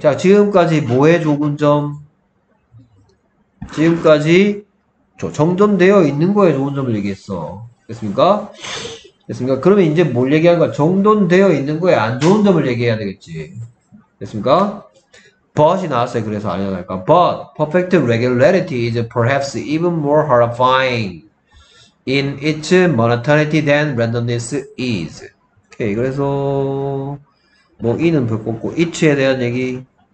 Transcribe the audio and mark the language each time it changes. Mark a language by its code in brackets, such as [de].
[ko] 자, 지금까지 뭐의 좋은 점? 지금까지 저 정돈되어 있는 거에 좋은 점을 얘기했어. 됐습니까? 됐습니까? 그러면 이제 뭘 얘기한 거야? 정돈되어 있는 거에 안 좋은 점을 얘기해야 되겠지. 됐습니까? But이 나왔어요. 그래서 아니랄까. [en] But perfect regularity is perhaps even more horrifying in its monotonicity than randomness is. [ko] 오케이. 그래서 뭐 이는 별거 없고 이치에 대한 얘기.